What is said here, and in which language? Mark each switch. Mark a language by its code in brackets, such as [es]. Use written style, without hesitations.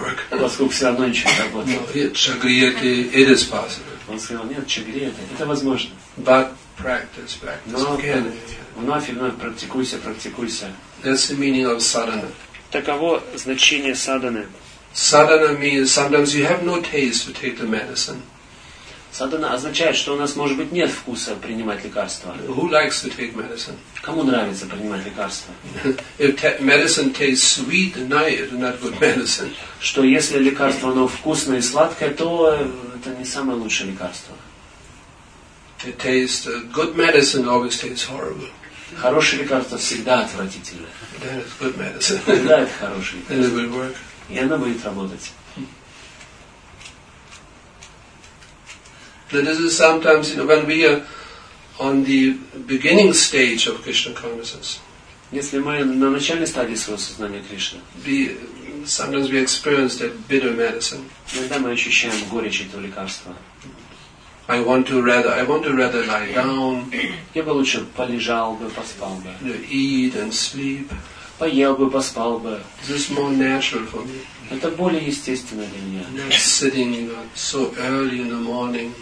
[ru] Поскольку все равно ничего не работает. [en] No, chagriyate, it is possible. [ru] Он сказал, нет, чагриете, это возможно. [en] But practice. [ru] Но [en] again, [ru] вновь и вновь практикуйся, практикуйся. [en] That's the meaning of sadhana. [ru] Таково значение садханы. [en] Sadhana means sometimes you have no taste to take the medicine. [ru] Sadhana означает, что у нас может быть нет вкуса принимать лекарства. [en] Who likes to take medicine? [ru] Кому нравится принимать лекарства? [en] If medicine tastes sweet, then it's not good medicine. [ru] Что если лекарство оно вкусное и сладкое, то это не самое лучшее лекарство. [en] It tastes good medicine always tastes horrible. [ru] Хорошее лекарство всегда отвратительное. [en] Then it's good medicine. [ru] Да, это хорошее лекарство. [en] And it will work. [ru] И она будет работать. [en] That is sometimes, you know, when we are on the beginning stage of Krishna consciousness. [ru] Если мы на начальной стадии своего сознания Кришны. [en] Sometimes we experience that bitter medicine. [ru] Иногда мы ощущаем горечь этого лекарства. [en] I want to rather lie down. [ru] Я бы лучше полежал бы, поспал бы. [en] Eat and sleep. [ru] Поел бы, поспал бы. [en] This is more natural for me. [ru] Это более естественно для меня. [en] Sitting, you know, so early in the morning.